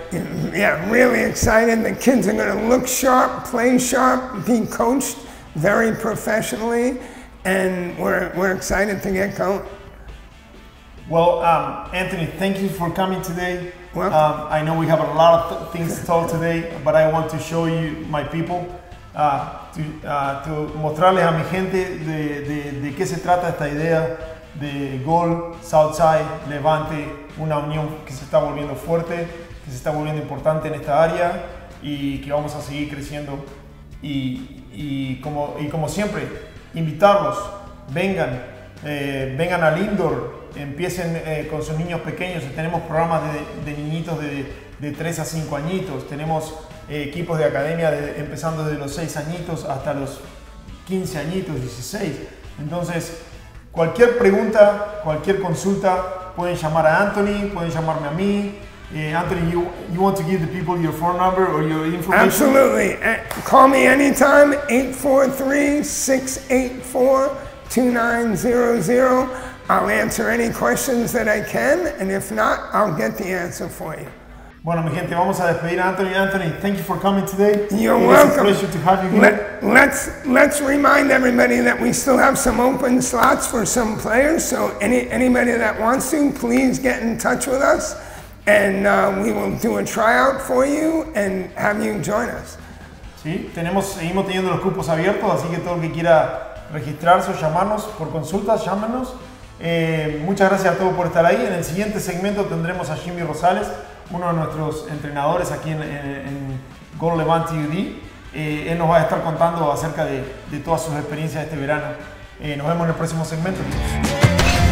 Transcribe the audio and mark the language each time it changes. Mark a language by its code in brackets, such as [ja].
[en] Yeah, really excited. The kids are going to look sharp, play sharp, be coached very professionally. And we're excited to get going. Well, Anthony, thank you for coming today. Welcome. I know we have a lot of things to talk today, but I want to show you my people. [es] To mostrarles a mi gente de qué se trata esta idea de Gol, Southside, Levante, una unión que se está volviendo fuerte, que se está volviendo importante en esta área y que vamos a seguir creciendo. Y como siempre, invitarlos, vengan al indoor, empiecen con sus niños pequeños. Tenemos programas de niñitos de 3 a 5 añitos, tenemos equipos de academia empezando desde los 6 añitos hasta los 15 añitos, 16. Entonces, cualquier pregunta, cualquier consulta, pueden llamar a Anthony, pueden llamarme a mí. [en] Anthony, you want to give the people your phone number or your information? Absolutely. Call me anytime, 843-684-2900. I'll answer any questions that I can, and if not, I'll get the answer for you. [es] Bueno, mi gente, vamos a despedir a Anthony. Anthony, [en] thank you for coming today. You're welcome. It's a pleasure to have you here. Let's remind everybody that we still have some open slots for some players. So anybody that wants to, please get in touch with us. And we will do a tryout for you and have you join us. [es] Sí, seguimos teniendo los cupos abiertos. Así que todo el que quiera registrarse o llamarnos por consultas, llámenos. Muchas gracias a todos por estar ahí. En el siguiente segmento tendremos a Jimmy Rosales, uno de nuestros entrenadores aquí en Gol Levante UD. Él nos va a estar contando acerca de todas sus experiencias este verano. Nos vemos en el próximo segmento.